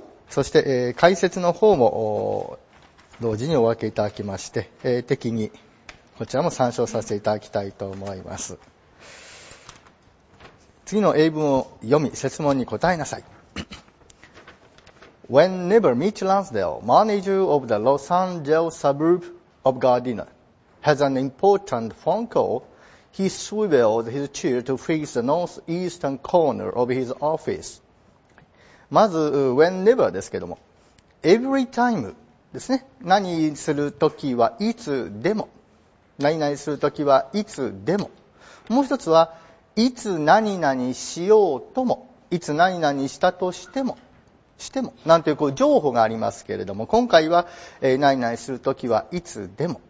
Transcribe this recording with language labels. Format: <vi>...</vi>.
<ja>そして、解説の方も同時にお分けいただきまして、適宜こちらも参照させていただきたいと思います。次の英文を読み、設問に答えなさい。</ja> <en>When neighbor Mitch Lansdale, manager of the Los Angeles suburb of Gardena, has an important phone call, he swivels his chair to face the northeastern corner of his office.</en> <ja>まず、</ja> <en>When neighbor</en> <ja>ですけども、</ja> <en>Every time</en> <ja>ですね。何するときはいつでも。何々するときはいつでも。もう一つは、いつ何々しようとも、いつ何々したとしても、なんていう、こう、情報がありますけれども、今回は、何々するときはいつでも。</ja>